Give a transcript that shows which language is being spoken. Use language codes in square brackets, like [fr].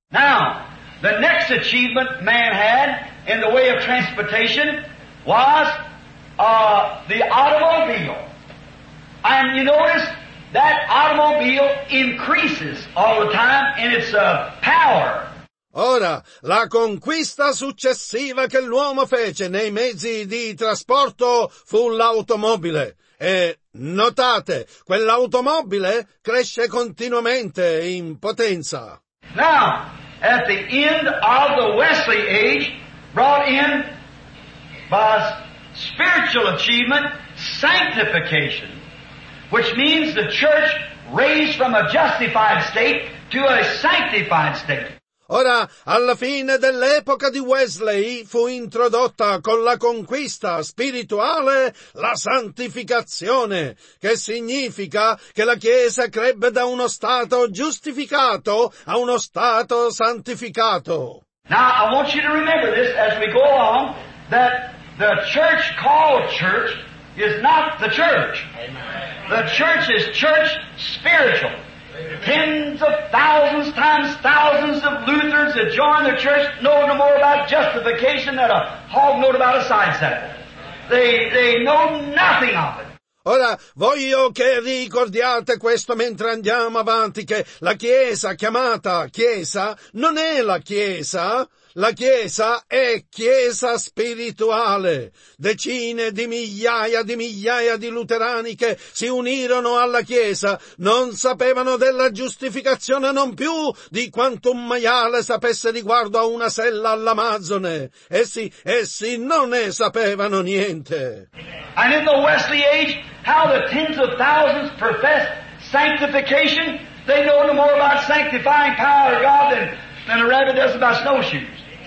[en] Now, the next achievement man had in the way of transportation was the automobile. And you notice that automobile increases all the time in its power. [it] Ora, la conquista successiva che l'uomo fece nei mezzi di trasporto fu l'automobile. E notate, quell'automobile cresce continuamente in potenza. [en] Now, at the end of the Wesley age, brought in by spiritual achievement, sanctification. Which means the church raised from a justified state to a sanctified state. [it] Ora, alla fine dell'epoca di Wesley fu introdotta con la conquista spirituale la santificazione, che significa che la Chiesa crebbe da uno stato giustificato a uno stato santificato. [en] Now, I want you to remember this as we go on, that the church called church is not the church. Amen. The church is church spiritual. Amen. Tens of thousands times thousands of Lutherans that join the church know no more about justification than a hog note about a side saddle. They know nothing of it. [it] Ora, voglio che ricordiate questo mentre andiamo avanti, che la Chiesa, chiamata Chiesa, non è la Chiesa. La Chiesa è Chiesa spirituale. Decine di migliaia di luterani che si unirono alla Chiesa non sapevano della giustificazione non più di quanto un maiale sapesse riguardo a una sella all'Amazzone. Essi non ne sapevano niente. [en] And in the Wesley age, how the tens of thousands professed sanctification, they know no more about sanctifying power of God than a rabbit does about snowshoes.